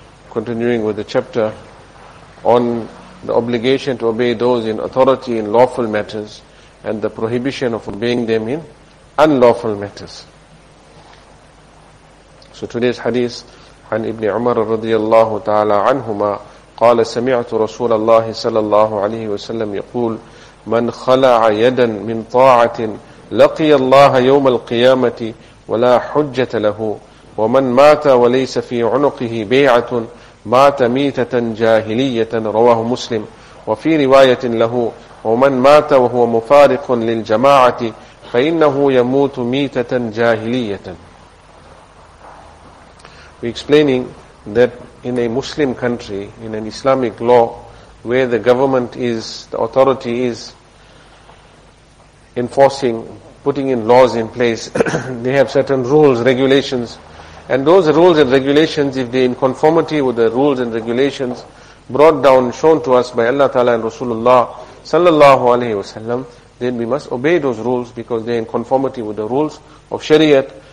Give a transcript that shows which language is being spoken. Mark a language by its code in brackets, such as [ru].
[en] Continuing with the chapter on the obligation to obey those in authority in lawful matters and the prohibition of obeying them in unlawful matters. So today's hadith [ar] عن ابن عمر رضي الله تعالى عنهما قال سمعت رسول الله صلى الله عليه وسلم يقول من خلع يدا من طاعة لقي الله يوم القيامة ولا حجة له ومن مات وليس في عنقه بيعة مات ميتة جاهلية رواه مسلم وفي رواية له ومن مات وهو مفارق للجماعة فإنه يموت ميتة جاهلية. [en] We explaining that in a Muslim country, in an Islamic law, where the government is, the authority is enforcing, putting in laws in place, they have certain rules, regulations, and those rules and regulations, if they in conformity with the rules and regulations brought down, shown to us by Allah Ta'ala and Rasulullah sallallahu alayhi wa sallam, then we must obey those rules because they are in conformity with the rules of Shariat.